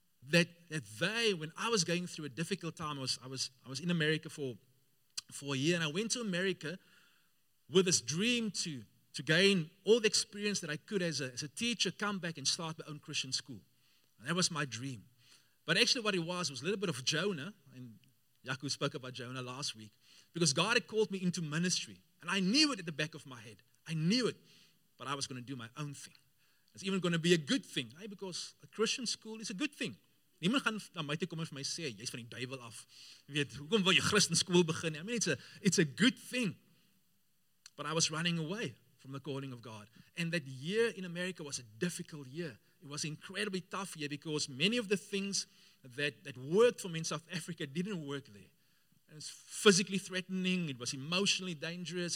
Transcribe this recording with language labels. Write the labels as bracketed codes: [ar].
[en] That they, when I was going through a difficult time, I was in America for a year. And I went to America with this dream to gain all the experience that I could as a teacher, come back and start my own Christian school. And that was my dream. But actually what it was a little bit of Jonah, and Yaku spoke about Jonah last week, because God had called me into ministry. And I knew it at the back of my head. I knew it, but I was going to do my own thing. It's even going to be a good thing, right? Because a Christian school is a good thing. [af] Niemand gaan na my toe kom en vir my sê, jy's van die duivel af. Jy weet, hoekom wil jy Christen school begin? [en] I mean, it's a good thing. But I was running away from the calling of God. And that year in America was a difficult year. It was an incredibly tough year because many of the things that worked for me in South Africa didn't work there. It was physically threatening. It was emotionally dangerous.